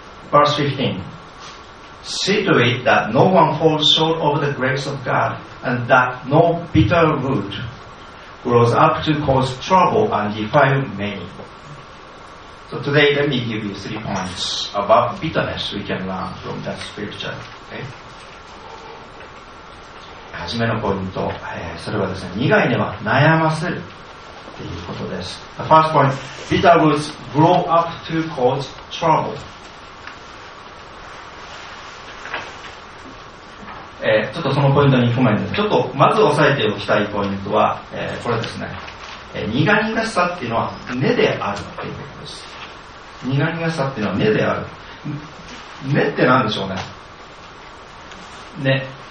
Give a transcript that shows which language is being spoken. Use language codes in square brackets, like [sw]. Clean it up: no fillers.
[en] Verse 15, see to it that no one falls short of the grace of God, and that no bitter root grows up to cause trouble and defile many. So today, let me give you 3 points about bitterness we can learn from that scripture. Okay? [ja] 初めのポイント、それはですね、苦い根は悩ませるということです。 [en] The first point, bitter roots grow up to cause trouble. [ja] ちょっとそのポイントに行く前に、ちょっとまず押さえておきたいポイントは、これですね。苦々しさっていうのは根であるということです。苦々しさっていうのは根である。根って何でしょうね。